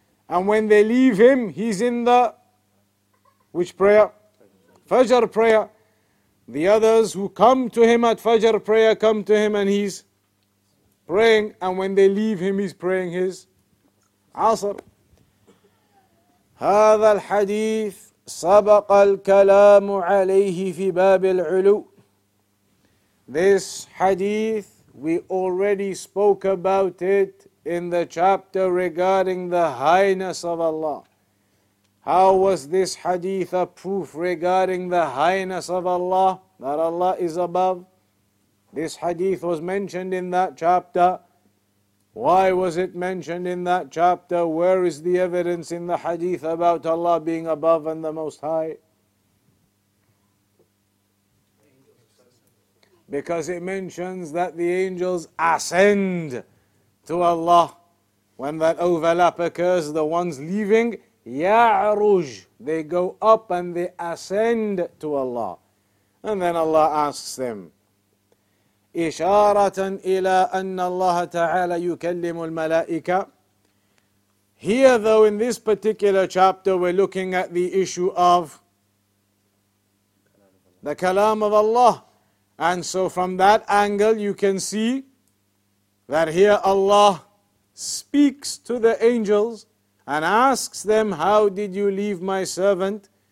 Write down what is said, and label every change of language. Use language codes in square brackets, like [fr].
[en] And when they leave him, he's in the, which prayer? Fajr prayer. The others who come to him at Fajr prayer, come to him and he's praying. And when they leave him, he's praying his Asr. [ar] هذا الحديث سبق الكلام عليه في باب العلو. [en] This hadith We already spoke about it in the chapter regarding the highness of Allah. How was this hadith a proof regarding the highness of Allah, that Allah is above? This hadith was mentioned in that chapter. Why was it mentioned in that chapter? Where is the evidence in the hadith about Allah being above and the Most High? Because it mentions that the angels ascend to Allah. When that overlap occurs, the ones leaving, ya'ruj, they go up and they ascend to Allah. And then Allah asks them, [ar] إشارة إلى أن الله تعالى يكلم الملائكة. [en] Here though, in this particular chapter, we're looking at the issue of the kalam of Allah. And so from that angle, you can see that here Allah speaks to the angels and asks them, how did you leave my servant?